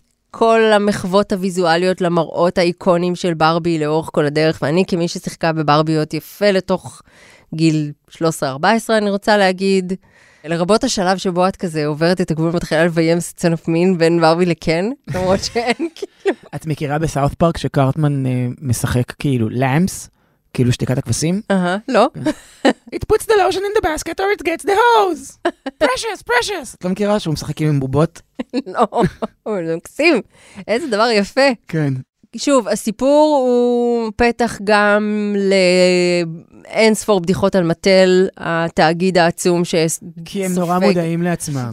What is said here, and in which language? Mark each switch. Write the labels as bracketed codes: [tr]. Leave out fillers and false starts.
[he] כל המחוות הויזואליות למראות האיקונים של ברבי לאורך כל הדרך, ואני כמי ששיחקה בברביות יפה לתוך גיל 13-14, אני רוצה להגיד, לרבות השלב שבו את כזה עוברת את הגבול ומתחילה לביים סצנות מין בין ברבי לקן, למרות שאין כאילו. את מכירה בסאות פארק שקרטמן משחק כאילו לאמס? כאילו שתיקת הכבשים? לא. [en] It puts the lotion in the basket or it gets the hose. Precious, precious. [he] את לא מכירה שהוא משחקים עם בובות? לא, אבל זה מקסים. איזה דבר יפה. כן. שוב, הסיפור הוא פתח גם לאין ספור בדיחות על מטל, התאגיד העצום שסופק. כי הם נורא מודעים לעצמם.